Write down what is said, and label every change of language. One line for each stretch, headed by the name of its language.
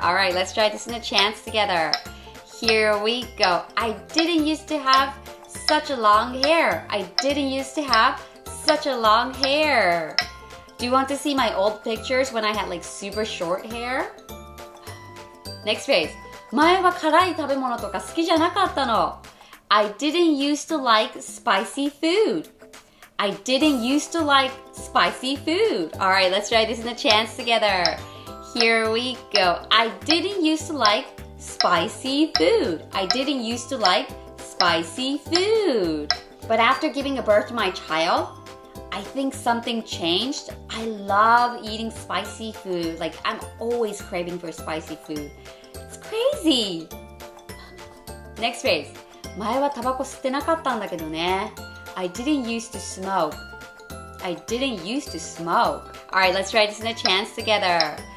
English: All right, let's try this in a chance together. Here we go. I didn't used to have such a long hair. I didn't used to have such a long hair. Do you want to see my old pictures when I had like super short hair? Next phrase.
Japanese: 前は辛い食べ物とか好きじゃなかったの。
English: I didn't used to like spicy food. I didn't used to like spicy food. All right, let's try this in a chance together. Here we go. I didn't used to like spicy food. I didn't used to like spicy food. But after giving birth to my child,I think something changed. I love eating spicy food. Like, I'm always craving for spicy food. It's crazy. Next phrase.
Japanese: 前はタバコ吸ってなかったんだけどね。
English: I didn't used to smoke. I didn't used to smoke. All right, let's try this in a chance together.